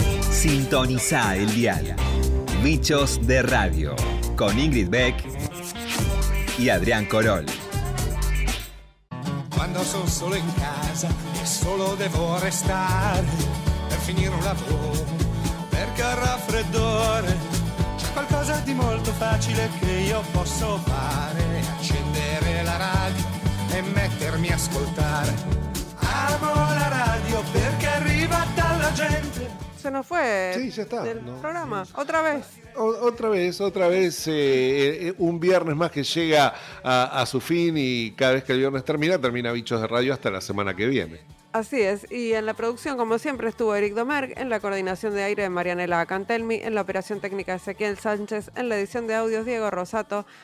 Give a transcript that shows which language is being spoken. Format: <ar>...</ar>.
<es>Sintoniza el dial Bichos de Radio con Ingrid Beck y Adrián Corol.</es> <it>Quando sono solo in casa e solo devo restare per finire un lavoro, perché il raffreddore c'è qualcosa di molto facile che io posso fare: accendere la radio e mettermi a ascoltare. Amo la radio perché arriva dalla gente.</it> <es>Se nos fue, sí, ya está, del, ¿no?, programa. Otra vez. Otra vez, un viernes más que llega a su fin, y cada vez que el viernes termina, termina Bichos de Radio hasta la semana que viene. Así es, y en la producción, como siempre, estuvo Eric Domergue, en la coordinación de aire de Marianela Cantelmi, en la operación técnica de Ezequiel Sánchez, en la edición de audios Diego Rosato.</es>